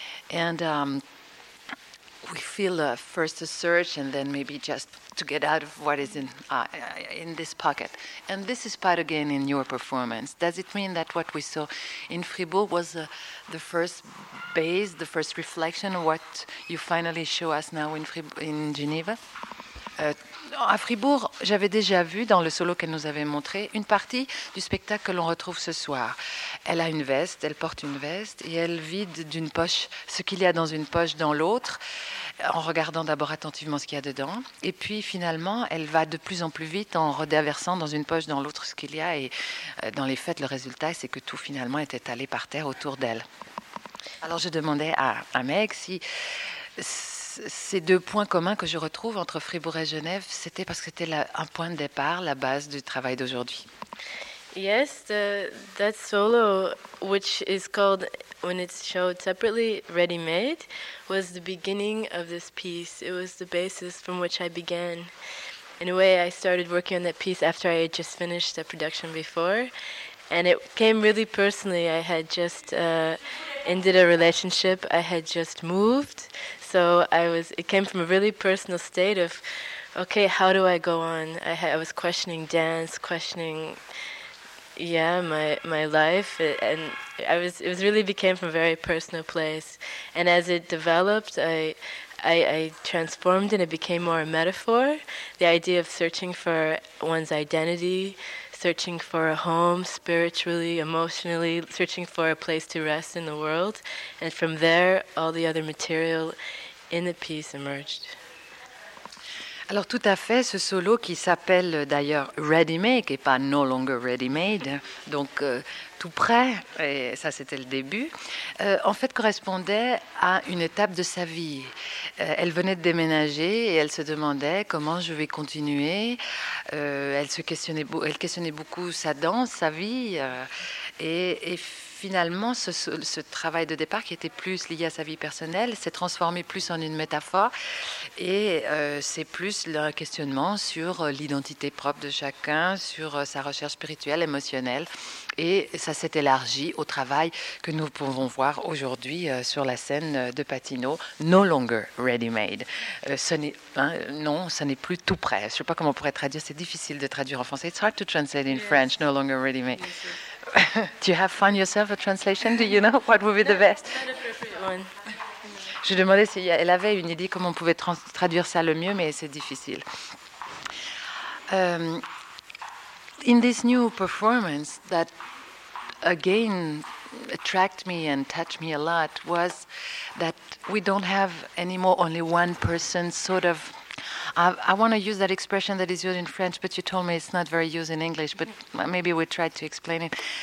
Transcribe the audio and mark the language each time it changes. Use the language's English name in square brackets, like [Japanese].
[English] And we feel first a search, and then maybe just to get out of what is in this pocket. And this is part again in your performance. Does it mean that what we saw in Fribourg was the first base, the first reflection of what you finally show us now in Geneva? [French] À Fribourg, j'avais déjà vu dans le solo qu'elle nous avait montré une partie du spectacle que l'on retrouve ce soir. Elle a une veste, elle porte une veste et elle vide d'une poche ce qu'il y a dans une poche dans l'autre en regardant d'abord attentivement ce qu'il y a dedans. Et puis finalement, elle va de plus en plus vite en redéversant dans une poche dans l'autre ce qu'il y a. Et dans les faits, le résultat, c'est que tout finalement est étalé par terre autour d'elle. Alors je demandais à Meg si... Ces deux points communs que je retrouve entre Fribourg et Genève, c'était parce que c'était un point de départ, la base du travail d'aujourd'hui. [English] Yes, that solo, which is called, when it's showed separately, Ready Made, was the beginning of this piece. It was the basis from which I began. In a way, I started working on that piece after I had just finished the production before. And it came really personally. I had just ended a relationship. I had just moved. So I was. It came from a really personal state of, okay, how do I go on? I was questioning dance, questioning, my life, and I was. It was really became from a very personal place. And as it developed, I transformed, and it became more a metaphor. The idea of searching for one's identity, searching for a home spiritually, emotionally, searching for a place to rest in the world, and from there, all the other material. In the piece emerged. [French] Alors tout à fait, ce solo qui s'appelle d'ailleurs Ready Made et pas No Longer Ready Made, donc tout prêt, et ça c'était le début, en fait correspondait à une étape de sa vie. Elle venait de déménager et elle se demandait comment je vais continuer. Elle questionnait beaucoup sa danse, sa vie, et finalement, ce travail de départ qui était plus lié à sa vie personnelle s'est transformé plus en une métaphore et c'est plus le questionnement sur l'identité propre de chacun, sur sa recherche spirituelle, émotionnelle. Et ça s'est élargi au travail que nous pouvons voir aujourd'hui sur la scène de Patino, No Longer Ready Made. Ce n'est plus tout prêt. Je ne sais pas comment on pourrait traduire, c'est difficile de traduire en français. [English] It's hard to translate in French, No Longer Ready Made. Yes, do you have found yourself a translation? Do you know what would be the best? [French] Je demandais si elle avait une idée comment on pouvait traduire ça le mieux, mais c'est difficile. [English] In this new performance that again attracted me and touched me a lot was that we don't have anymore only one person sort of. I want to use that expression that is used in French, but you told me it's not very used in English, but maybe we tried to explain it.